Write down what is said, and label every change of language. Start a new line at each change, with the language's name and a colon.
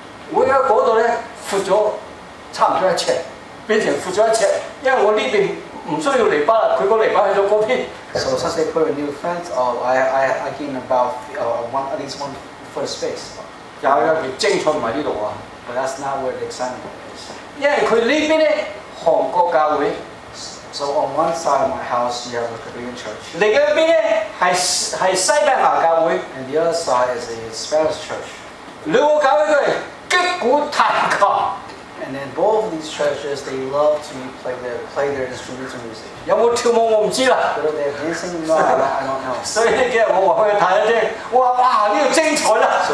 Cantonese: 我喺嗰度咧，阔咗差唔多一尺。變成負責一尺，因為我呢邊唔需要泥巴啦，佢個泥巴去咗嗰邊。
English: So since they put a new fence, I gain about at least one foot space.
Cantonese: 又係精彩唔係呢度啊
English: ，But that's not where the excitement is.
Cantonese: 因為佢呢邊咧韓國教會
English: ，So on one side of my house you have a Korean church.
Cantonese: 另一邊咧係西班牙教會
English: ，And the other side is a Spanish church.
Cantonese: 兩個教會佢擊鼓彈琴。
English: And then both of these churches, they love to play their instruments and music.
Cantonese: 有冇跳舞我唔知啦。But
English: if they're dancing or not, I don't know.
Cantonese: 所以呢幾日我話俾佢睇一啲，哇哇呢度精彩啦。So